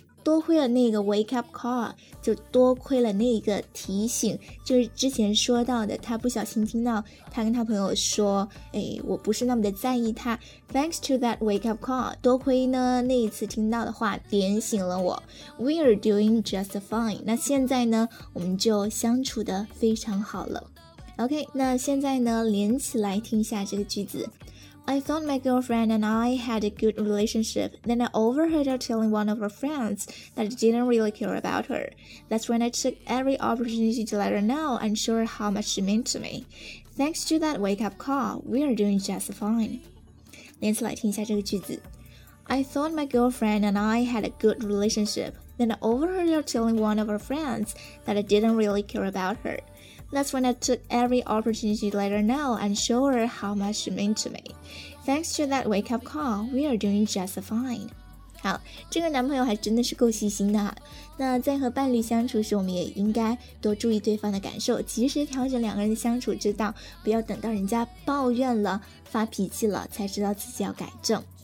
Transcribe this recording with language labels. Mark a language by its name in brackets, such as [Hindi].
[Chinese] 多亏了那个 wake up call, 就多亏了那个提醒就是之前说到的她不小心听到她跟她朋友说哎我不是那么的在意她。 Thanks to that wake up call, 多亏呢那一次听到的话点醒了我。 We are doing just fine. 那现在呢我们就相处得非常好了。 OK, 那现在呢连起来听一下这个句子。 [English] I thought my girlfriend and I had a good relationship. Then I overheard her telling one of her friends that I didn't really care about her. That's when I took every opportunity to let her know and show her how much she meant to me. Thanks to that wake-up call, we are doing just fine. [Chinese] 连起来听一下这个句子。 [English] I thought my girlfriend and I had a good relationship. Then I overheard her telling one of her friends that I didn't really care about her. That's when I took every opportunity to let her know and show her how much she meant to me. Thanks to that wake-up call, we are doing just fine. [Chinese] 好，这个男朋友还真的是够细心的。那在和伴侣相处时，我们也应该多注意对方的感受，及时调整两个人的相处之道，不要等到人家抱怨了、发脾气了，才知道自己要改正。